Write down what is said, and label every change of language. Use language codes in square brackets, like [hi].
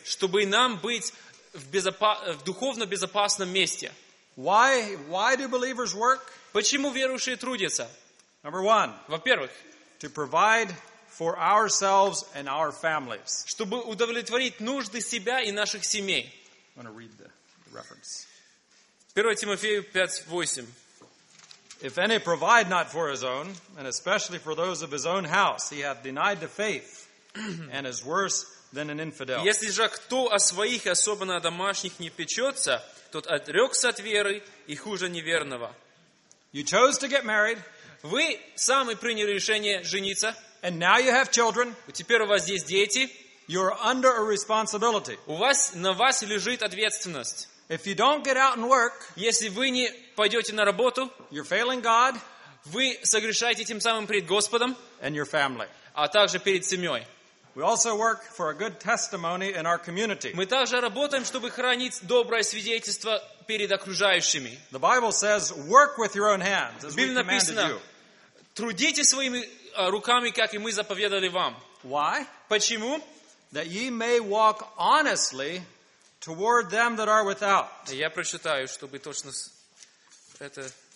[ru] Чтобы нам быть в духовно безопасном месте. [en] Why do believers work? [ru] Почему верующие трудятся? [en] Number one. [ru] Во-первых. [en] To provide for ourselves and our families. [ru] Чтобы удовлетворить нужды себя и наших семей. [en] I want to read the reference. [ru] 1 Тимофею 5:8. [en] If any provide not for his own, and especially for those of his own house, he hath denied the faith, and is worse than an infidel. [ru] Если же кто о своих, особенно о домашних, не печется, тот отрекся от веры и хуже неверного. [en] You chose to get married. [ru] Вы сами приняли решение жениться. [en] And now you have children. [ru] Теперь у вас есть дети. [en] You are under a responsibility. [ru] На вас лежит ответственность. [en] If you don't get out and work, [ru] если вы не пойдете на работу, [en] you're failing God, [ru] вы согрешаете тем самым перед Господом, [en] and your family, [ru] а также перед семьей. [en] We also work for a good testimony in our community. [ru] Мы также работаем, чтобы хранить доброе свидетельство перед окружающими. [en] The Bible says, "Work with your own hands, as we commanded you." [ru] Трудитесь своими руками, как и мы заповедали вам. [en] Why? [ru] Почему? [en] That ye may walk honestly toward them that are without. [ru] Я прочитаю, чтобы точно это.